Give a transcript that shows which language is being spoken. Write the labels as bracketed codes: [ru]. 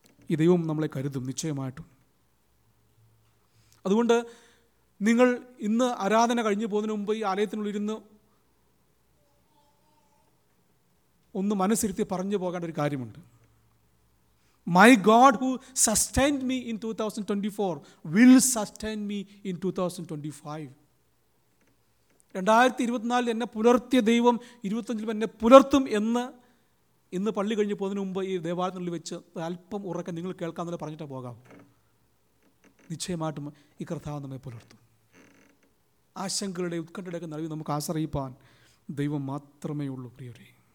[ml] ഈ ദൈവം നമ്മളെ കരുതും നിശ്ചയമായിട്ടും. അതുകൊണ്ട് നിങ്ങൾ ഇന്ന് ആരാധന കഴിഞ്ഞു പോകുന്നതിന് മുമ്പ് ഈ ആലയത്തിനുള്ളിൽ ഇരുന്ന് ഒന്ന് മനസ്സിരുത്തി പറഞ്ഞു പോകേണ്ട ഒരു കാര്യമുണ്ട്. [en] My God who sustained me in 2024 will sustain me in 2025. [ml] 2024 എന്നെ പുലർത്തിയ ദൈവം 25 എന്നെ പുലർത്തും എന്ന് ഇന്ന് പള്ളി കഴിഞ്ഞ് പോകുന്നതിന് മുമ്പ് ഈ ദേവാലയത്തിനുള്ളിൽ വെച്ച് അല്പം ഉറക്കം നിങ്ങൾ കേൾക്കാമെന്നല്ല പറഞ്ഞിട്ട് പോകാം. നിശ്ചയമായിട്ടും ഈ കർത്താവ് നമ്മെ പുലർത്തും. ആശങ്കകളുടെ ഉത്കണ്ഠയുടെയൊക്കെ നടുവിൽ നമുക്ക് ആശ്രയിപ്പാൻ ദൈവം മാത്രമേ ഉള്ളൂ പ്രിയരേ.